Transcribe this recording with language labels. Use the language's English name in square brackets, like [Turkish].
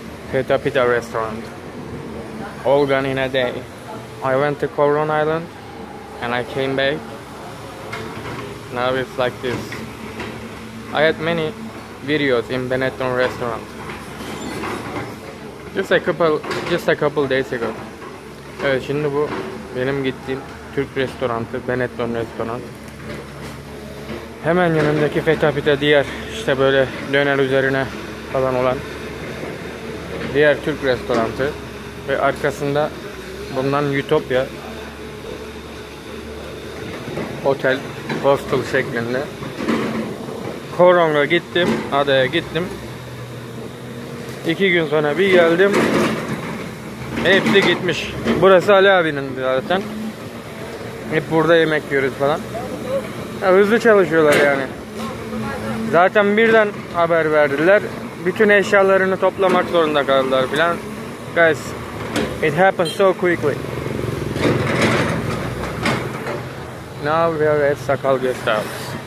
[English] Pita Pita restaurant. All gone in a day. I went to Coron Island and I came back. Now it's like this. I had many videos in Benetton restaurant. Just a couple days ago. [Turkish] Evet, şimdi bu benim gittiğim Türk restorantı, Benetton restorant. Hemen yanındaki Feta Pita diğer, işte böyle döner üzerine falan olan diğer Türk restorantı. Ve arkasında bundan Utopia otel, hostel şeklinde. Koronga gittim, adaya gittim. 2 gün sonra bir geldim. Hepsi gitmiş. Burası Ali abinin zaten. Hep burada yemek yiyoruz falan. Ya, hızlı çalışıyorlar yani. Zaten birden haber verdiler. Bütün eşyalarını toplamak zorunda kaldılar falan. [English] Guys, it happened so quickly. Now we are at Sakal Guest House.